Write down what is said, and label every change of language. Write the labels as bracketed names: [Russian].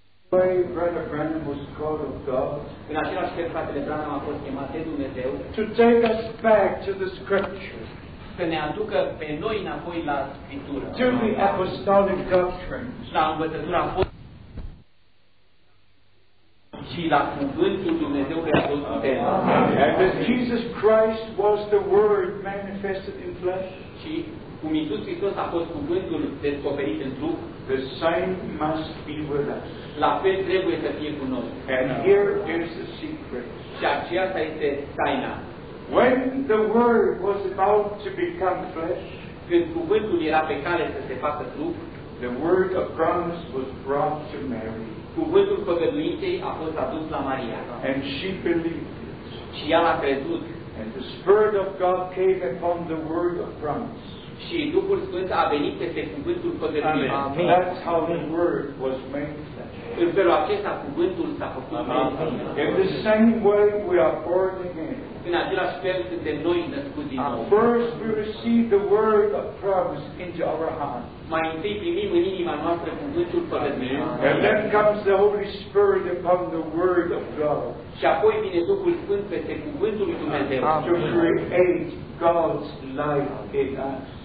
[English] Brother Branham was called of God. [Romanian] În același fel, fratele Branham a fost chemat de Dumnezeu. [English] To take us back to the Scriptures. [Romanian] Să ne aducă pe noi înapoi la Scriptură. [English] To the apostolic doctrines. [Romanian] La învățătura apostolică. Și la cuvântul Dumnezeu care a fost puternic. [English] As Jesus Christ was the Word manifested in flesh. [Romanian] Și cum Iisus Hristos a fost cuvântul descoperit în trup. [English] The same must be with us. [Romanian] La fel trebuie să fie cu noi. [English] And here is the secret. [Romanian] Și aceasta este taina. [English] When the word was about to become flesh, [Romanian] când cuvântul era pe cale să se facă trup, [English] the word of promise was brought to Mary. [Romanian] Cuvântul făgăduinței a fost adus la Maria. [English] And she believed it. [Romanian] Și ea l-a crezut. [English] And the Spirit of God came upon the word of promise. [Romanian] Și Duhul Sfânt a venit peste cuvântul făgăduinței. [English] Amen. That's how the word was made. [Romanian] În felul acesta cuvântul s-a făcut. [English] In the same way we are born again. [Romanian] În același fel suntem noi născuți din nou. [English] First we receive the word of promise into our heart. [Romanian] Mai întâi primim în inima noastră cuvântul făgăduinței. [English] And then comes the Holy Spirit upon the word of God. [Romanian] Și apoi vine Duhul Sfânt peste cuvântul lui Dumnezeu. [English] To create God's life in us.